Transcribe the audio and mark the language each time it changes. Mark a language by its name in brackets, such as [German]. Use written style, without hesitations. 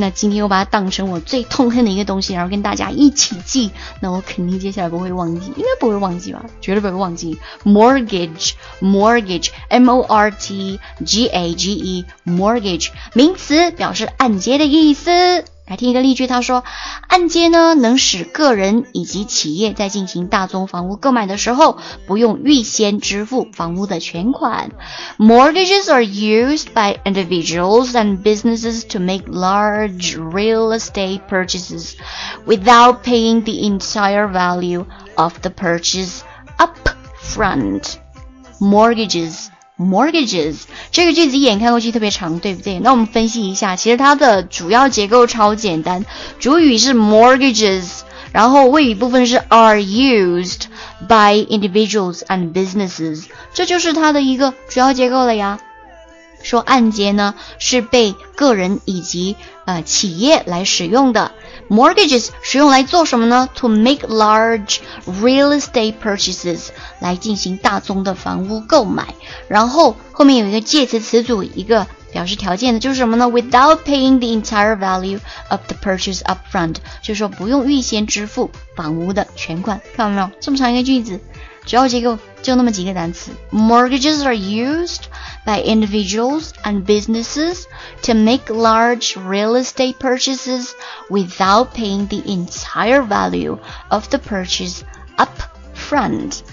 [Chinese] 那今天我把它当成我最痛恨的一个东西，然后跟大家一起记，那我肯定接下来不会忘记，应该不会忘记吧，绝对不会忘记 Mortgage M-O-R-T-G-A-G-E Mortgage， 名词，表示按揭的意思。来听一个例句，他说按揭呢能使个人以及企业在进行大宗房屋购买的时候不用预先支付房屋的全款。 [English] Mortgages are used by individuals and businesses to make large real estate purchases without paying the entire value of the purchase up front. [Chinese] Mortgages 这个句子眼看过去特别长，对不对？那我们分析一下，其实它的主要结构超简单，主语是 mortgages， 然后谓语部分是 [English] are used by individuals and businesses， [Chinese] 这就是它的一个主要结构了呀。说按揭呢是被个人以及企业来使用的。 Mortgages 使用来做什么呢？ [English] To make large real estate purchases， [Chinese] 来进行大宗的房屋购买。然后后面有一个介词词组，一个表示条件的，就是什么呢？ [English] Without paying the entire value of the purchase up front， [Chinese] 就是说不用预先支付房屋的全款。看到没有，这么长一个句子，主要结构就那么几个单词。 [English] Mortgages are used by individuals and businesses to make large real estate purchases without paying the entire value of the purchase up front.